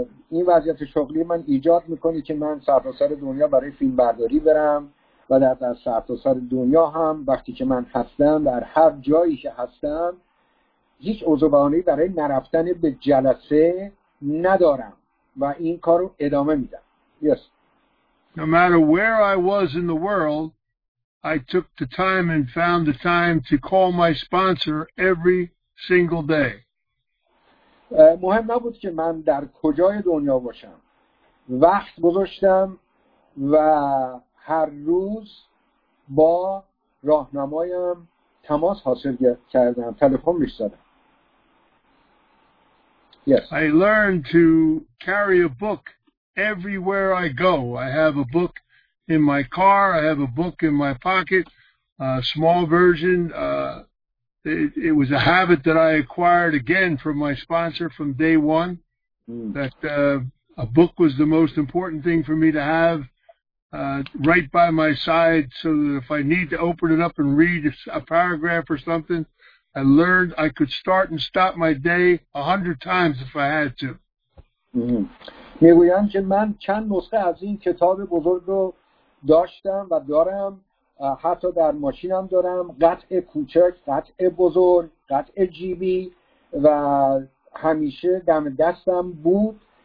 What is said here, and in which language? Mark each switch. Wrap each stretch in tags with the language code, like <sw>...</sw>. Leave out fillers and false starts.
<fa>این وضعیت شغلی من ایجاد میکنه که من سرتاسر دنیا برای فیلم برداری برم و در سرتاسر دنیا هم وقتی که من هستم، در هر جایی که هستم، هیچ عذر و بهانه‌ای برای نرفتن به جلسه ندارم و این کارو ادامه میدم.</fa> <en>Yes. No matter where I was in the world, I took the time and found the time to call my sponsor every single day.</en> <fa>مهم نبود که من در کجای دنیا باشم، وقت گذاشتم و هر روز با راهنمایم تماس حاصل کردم، تلفن می‌زدم.</fa> <en>Yes. I learned to carry a book everywhere I go. I have a book in my car, I have a book in my pocket, a small version. It was a habit that I acquired again from my sponsor from day one, that a book was the most important thing for me to have right by my side, so that if I need to open it up and read a paragraph or something, I learned I could start and stop my day 100 times if I had to.</en> <fa>میگویم که من چند نسخه از این کتاب بزرگ رو داشتم و دارم، حتی در ماشینم دارم، قطع کوچک، قطع بزرگ، قطع جیبی، و همیشه دم دستم بود.</fa>